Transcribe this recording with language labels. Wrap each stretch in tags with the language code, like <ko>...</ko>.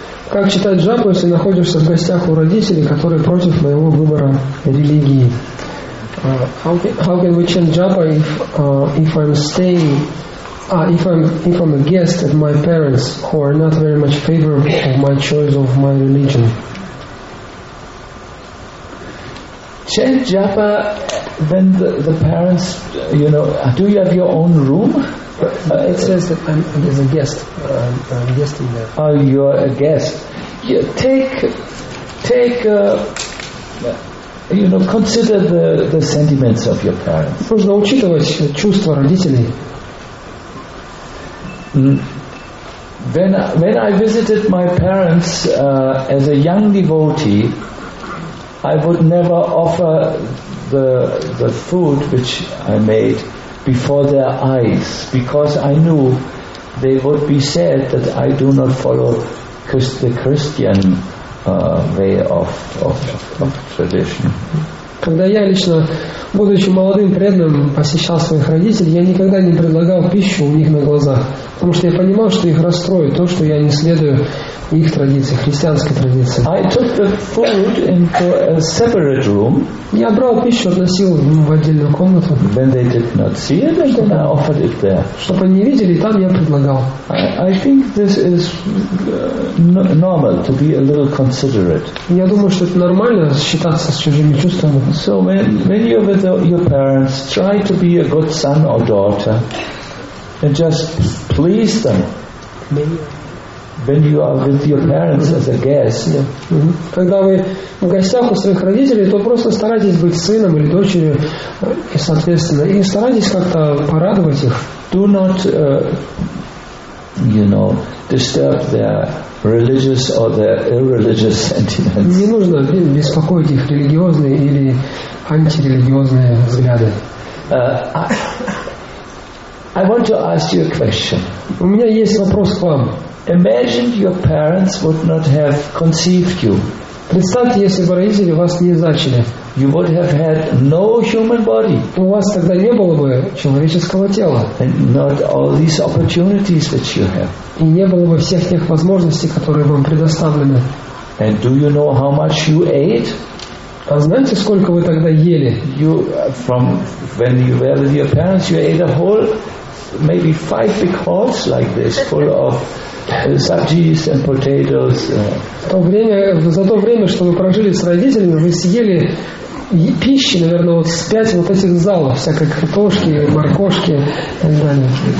<ru>Как читать джапу, если находишься в гостях у родителей, которые против моего выбора религии?</ru> <en>How can we chant japa if I'm a guest at my parents who are not very much favorable of my choice of my religion? Chant japa when the parents, you know, do you have your own room? It says that I'm a guest. I'm guesting there. Oh, you're a guest. Yeah, take. You know, consider the sentiments of your parents.</en> <ru>Нужно учитывать чувства родителей.</ru> <en>When I visited my parents as a young devotee, I would never offer the food which I made before their eyes because I knew they would be sad that I do not follow the Christian way of tradition.</en> <ru>Когда я лично, будучи молодым преданным, посещал своих родителей, я никогда не предлагал пищу у них на глазах, потому что я понимал, что их расстроит то, что я не следую их традиции, христианской традиции.</ru> <en>I took the food into a separate room.</en> <ru>Я брал пищу, относил в отдельную комнату.</ru> <en>When they did not see it, then I offered it there.</en> <ru>Чтобы они видели, там я предлагал.</ru> <en>I think this is normal to be a little considerate.</en> <ru>Я думаю, что это нормально считаться с чужими чувствами.</ru> <en>So when you're with your parents, try to be a good son or daughter and just please them. When you are with your parents as a guest,</en> <ru>когда вы в гостях у своих родителей, то просто старайтесь быть сыном или дочерью, и соответственно, и старайтесь как-то порадовать их.</ru> <en>Do not, you know, disturb their religious or their irreligious sentiments.</en> <ru>Не нужно беспокоить их религиозные или антирелигиозные взгляды.</ru> <en>I want to ask you a question.</en> <ru>У меня есть вопрос к вам.</ru> <en>Imagine your parents would not have conceived you.</en> <ru>Представьте, если бы родители вас не зачали.</ru> <en>You would have had no human body.</en> <ru>У вас тогда не было бы человеческого тела.</ru> <en>And not all these opportunities which you have.</en> <ru>И не было бы всех тех возможностей, которые вам предоставлены.</ru> <en>And do you know how much you ate?</en> <ru>А знаете, сколько вы тогда ели?</ru> <en>You from when you were with your parents, you ate a whole maybe 5 big halls like this, full of sabjis and potatoes.</en> <ru>За то время, что вы прожили с родителями, вы съели пищи, наверное, вот с 5 вот этих залов, всякой картошки, моркошки и так далее.</ru>